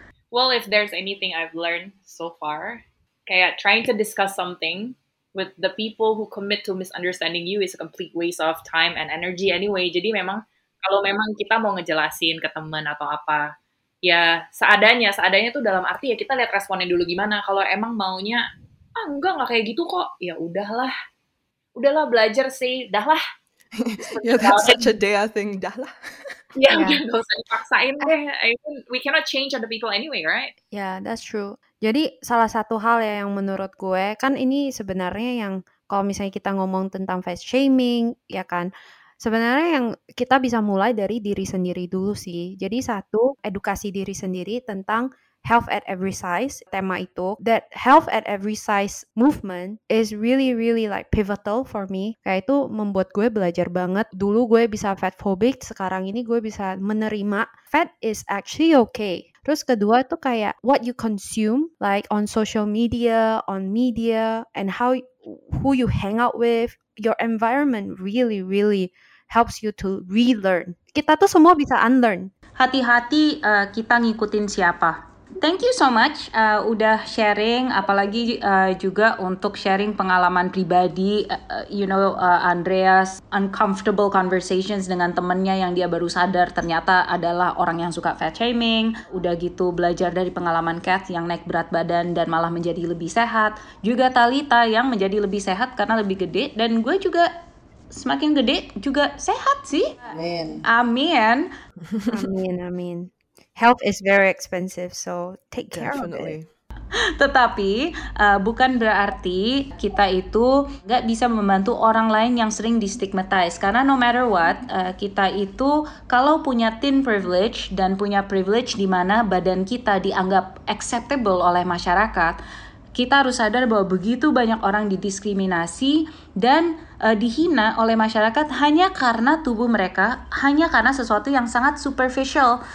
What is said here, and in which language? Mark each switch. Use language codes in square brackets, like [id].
[en] Well, if there's anything I've learned so far, kayak trying to discuss something with the people who commit to misunderstanding you is a complete waste of time and energy anyway. [id] Jadi memang, kalau memang kita mau ngejelasin ke teman atau apa, ya seadanya, seadanya tuh dalam arti ya kita lihat responnya dulu gimana. Kalau emang maunya, ah enggak kayak gitu kok, ya udahlah. Udahlah belajar sih, dahlah. [en] Yeah, that's such a day, I think, dahlah. [id] Ya, gak usah dipaksain deh. [en] I mean, we cannot change other people anyway, right? Yeah, that's true. [id] Jadi salah satu hal ya yang menurut gue, kan ini sebenarnya yang kalau misalnya kita ngomong tentang fat shaming, ya kan, sebenarnya yang kita bisa mulai dari diri sendiri dulu sih. Jadi satu, edukasi diri sendiri tentang health at every size, tema itu. [en] That health at every size movement is really, really like pivotal for me. [id] Kayak itu membuat gue belajar banget. Dulu gue bisa fat phobic, sekarang ini gue bisa menerima [en] fat is actually okay. [id] Terus kedua tuh kayak [en] what you consume, like on social media, on media, and how who you hang out with. Your environment really, really helps you to relearn. [id] Kita tuh semua bisa unlearn. Hati-hati kita ngikutin siapa. [en] Thank you so much [id] udah sharing, apalagi juga untuk sharing pengalaman pribadi, [en] you know, [id] Andreas uncomfortable conversations dengan temennya yang dia baru sadar ternyata adalah orang yang suka fat shaming, udah gitu belajar dari pengalaman Kat yang naik berat badan dan malah menjadi lebih sehat, juga Talita yang menjadi lebih sehat karena lebih gede, dan gue juga semakin gede juga sehat sih. Amin. Amin. [en] Health is very expensive, so take care definitely. Of it. [id] Tetapi, bukan berarti kita itu nggak bisa membantu orang lain yang sering di-stigmatize. Karena [en] no matter what, [id] kita itu kalau punya thin privilege dan punya privilege di mana badan kita dianggap acceptable oleh masyarakat, kita harus sadar bahwa begitu banyak orang didiskriminasi dan dihina oleh masyarakat hanya karena tubuh mereka, hanya karena sesuatu yang sangat superficial.